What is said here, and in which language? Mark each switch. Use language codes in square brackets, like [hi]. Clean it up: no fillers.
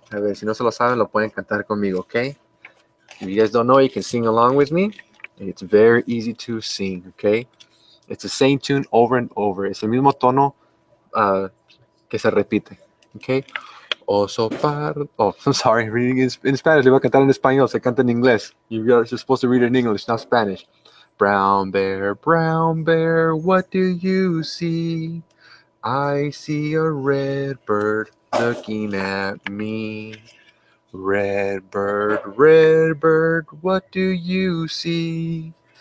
[es] A ver, si no se lo saben, lo pueden cantar conmigo, okay? [en] If you guys don't know, you can sing along with me. It's very easy to sing, okay? It's the same tune over and over. [es] Es el mismo tono que se repite, okay? Oso pardo. [en] Oh, I'm sorry. Reading in Spanish. [es] Le voy a cantar en español. Se canta en inglés. [en] You're supposed to read it in English, not Spanish. Brown bear, what do you see? I see a red bird looking at me. Red bird, what do you see?